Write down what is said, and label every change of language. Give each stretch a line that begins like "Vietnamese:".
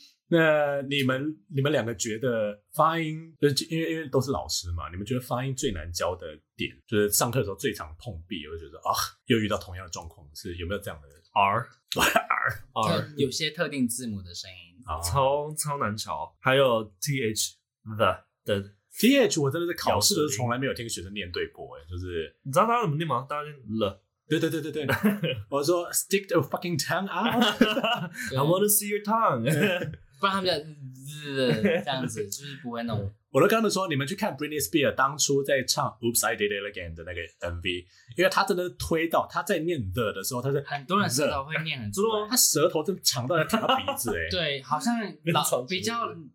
Chinese: 那你们两个觉得发音，就是因为都是老师嘛，你们觉得发音最难教的点，就是上课的时候最常碰壁，我就觉得啊，又遇到同样的状况，是有没有这样的 R 有些特定字母的声音，啊、超难瞧，还有 th the th， 我真的是考试的时候从来没有听学生念对过，就是你知道大家怎么念吗？大家念 the。对，我说
English: stick the fucking tongue out， I want to see your tongue，
Chinese: 不然他们就这样子，就是不会弄。我都跟他们说，你们去看 Britney Spears 当初在唱 Oops I Did It Again 的那个 MV， 因为他真的推到他在念 the 的时候，他是很多人舌头会念很粗，他舌头真的长到要舔到鼻子，对，好像老比较